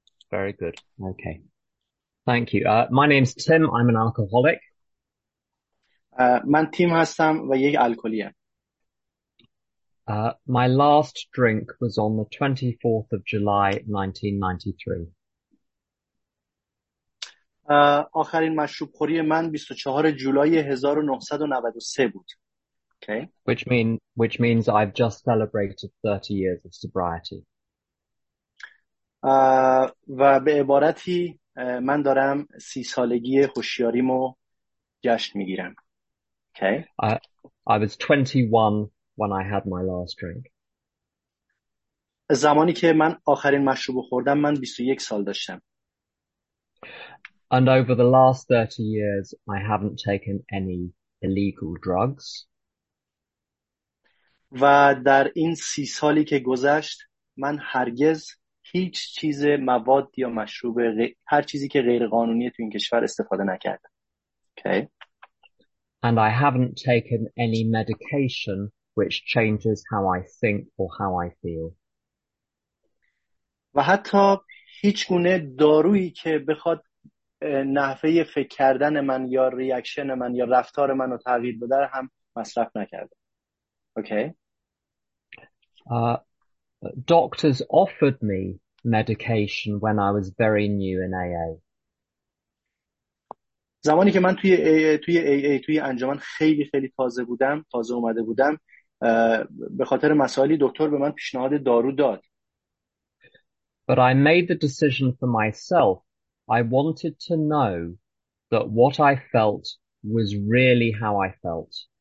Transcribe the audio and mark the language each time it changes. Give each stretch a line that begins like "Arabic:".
English: Very good. Okay. Thank you. My name's Tim. I'm an alcoholic.
Persian: من تیم هستم و یک الکلی هم.
English: My last drink was on the 24th of July, 1993.
Persian: آخرین مشروب خوری من 24 جولای 1993 بود.
English: Okay. Which means I've just celebrated 30 years of sobriety.
Persian: و به عبارتی من دارم 30 سالگی هوشیاریمو جشن میگیرم.
English: Okay. I was 21 when I had my last drink.
Persian: زمانی که من آخرین مشروب خوردم من 21 سال داشتم.
English: And over the last 30 years I haven't taken any illegal drugs.
Persian: و در این 30 سالی که گذشت من هرگز هیچ چیز مواد یا مشروب هر چیزی که غیر قانونیه تو این کشور استفاده نکردم.
English: Okay. And I haven't taken any medication which changes how I think or how I feel.
Persian: و حتی هیچ گونه دارویی که بخواد نحوه فکر کردن من یا ریاکشن من یا رفتار من رو تغییر بده هم مصرف نکردم.
English: Okay. Doctors offered me medication when I was very new in AA.
Persian: زمانی که من توی انجمن خیلی خیلی تازه اومده بودم به خاطر مسائلی دکتر به من پیشنهاد دارو داد.
English: But I made the decision for myself. I wanted to know that what I felt was really how I felt.